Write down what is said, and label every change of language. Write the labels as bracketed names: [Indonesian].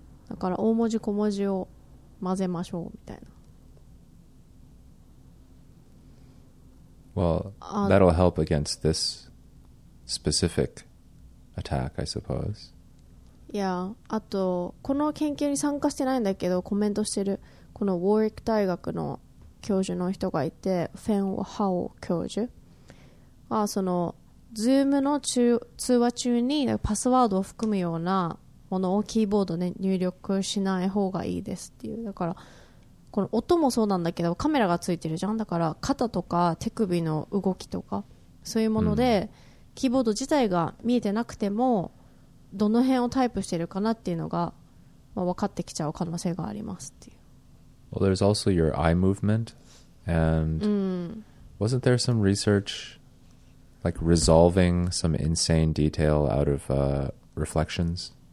[Japanese] だから大文字小文字を混ぜましょうみたいな。 [English] Well, that'll help against this specific attack, I suppose. [Japanese] いや、あとこの研究に参加してないんだけどコメントしてるこのウォーリック大学の教授の人がいて、フェン・ハオ教授は、その Zoom の通話中にパスワードを含むようなものをキーボードで入力しない方がいいですっていう。だからこの音もそうなんだけどカメラがついてるじゃん。だから肩とか手首の動きとかそういうもので、うん、キーボード自体が見えてなくてもどの辺をタイプしてるかなっていうのが、まあ、分かってきちゃう可能性がありますっていう。 [English] Well, there's also your eye movement, and wasn't there some research like resolving some insane detail out of reflections?